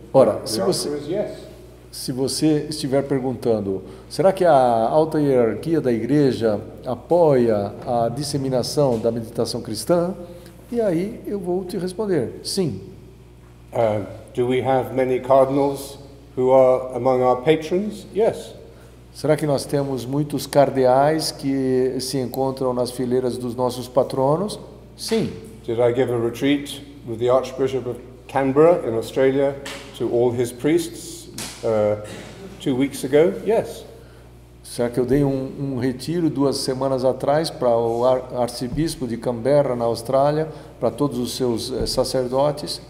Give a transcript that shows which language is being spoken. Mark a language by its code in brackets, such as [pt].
[pt] Ora, se você estiver perguntando, será que a alta hierarquia da igreja apoia a disseminação da meditação cristã? E aí eu vou te responder, sim. [en] Do we have many cardinals who are among our patrons? Yes. [pt] Será que nós temos muitos cardeais que se encontram nas fileiras dos nossos patronos? Sim. [en] Did I give a retreat with the Archbishop of Canberra in Australia to all his priests 2 weeks ago? Yes. [pt] Será que eu dei um retiro 2 semanas atrás para o arcebispo de Canberra, na Austrália, para todos os seus sacerdotes?